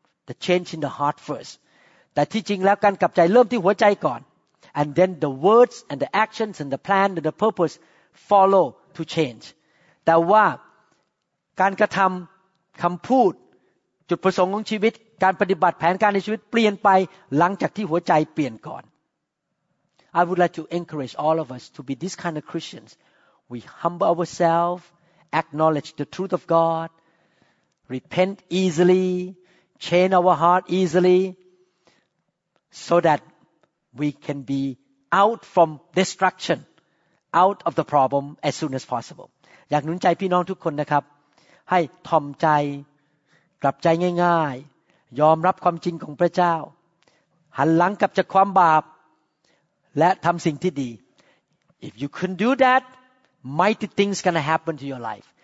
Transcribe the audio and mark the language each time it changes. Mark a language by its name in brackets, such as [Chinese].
[English] The change in the heart first. [Thai] แต่ที่จริงแล้วการกลับใจเริ่มที่หัวใจก่อน [English] And then the words and the actions and the plan and the purpose follow to change. [Thai] แต่ว่าการกระทำคำพูดจุดประสงค์ของชีวิตการปฏิบัติแผนการในชีวิตเปลี่ยนไปหลังจากที่หัวใจเปลี่ยนก่อน [English] I would like to encourage all of us to be this kind of Christians. We humble ourselves, acknowledge the truth of God, repent easily, change our heart easily, so thatWe can be out from destruction, out of the problem as soon as possible. [Thai] อยากหนุนใจพี่น้องทุกคนนะครับให้ถ่อมใจกลับใจง่ายๆยอมรับความจริงของพระเจ้าหันหลังกลับจากความบาปและทำสิ่งที่ดี [English] If you can do that, mighty things gonna happen to your life.